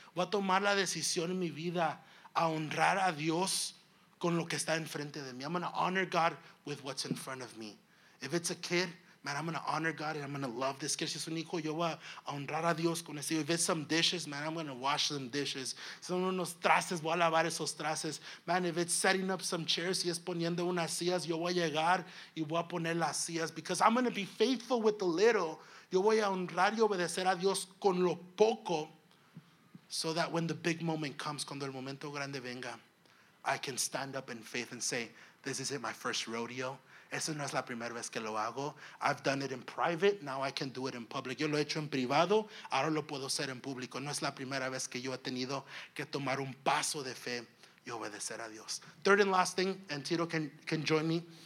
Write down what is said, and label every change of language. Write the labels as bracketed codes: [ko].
[es] Va a tomar la decisión en mi vida a honrar a Dios con lo que está enfrente de mí. [en] I'm going to honor God with what's in front of me. If it's a kid, man, I'm going to honor God and I'm going to love this kid. [es] Si es un hijo, yo voy a honrar a Dios con ese. [en] If it's some dishes, man, I'm going to wash them dishes. [es] Si son unos trastes, voy a lavar esos trastes. [en] Man, if it's setting up some chairs, [es] si es poniendo unas sillas, yo voy a llegar y voy a poner las sillas. [en] Because I'm going to be faithful with the little. [es] Yo voy a honrar y obedecer a Dios con lo poco. [en] So that when the big moment comes, [es] cuando el momento grande venga, [en] I can stand up in faith and say, this isn't my first rodeo. [es] Eso no es la primera vez que lo hago. [en] I've done it in private. Now I can do it in public. [es] Yo lo he hecho en privado. Ahora lo puedo hacer en público. No es la primera vez que yo he tenido que tomar un paso de fe y obedecer a Dios. [en] Third and last thing, and Tito can join me.